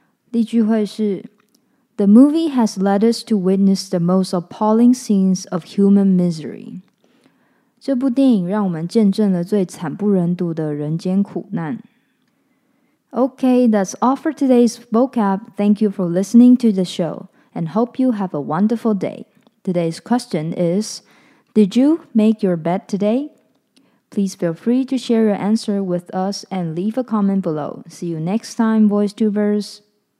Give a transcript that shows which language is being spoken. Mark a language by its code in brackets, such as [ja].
[zh] 例句会是 [en] The movie has led us to witness the most appalling scenes of human misery. [zh] 这部电影让我们见证了最惨不忍睹的人间苦难。 [en] Okay, that's all for today's vocab. Thank you for listening to the show and hope you have a wonderful day. Today's question is, Did you make your bed today? Please feel free to share your answer with us and leave a comment below. See you next time, VoiceTubers.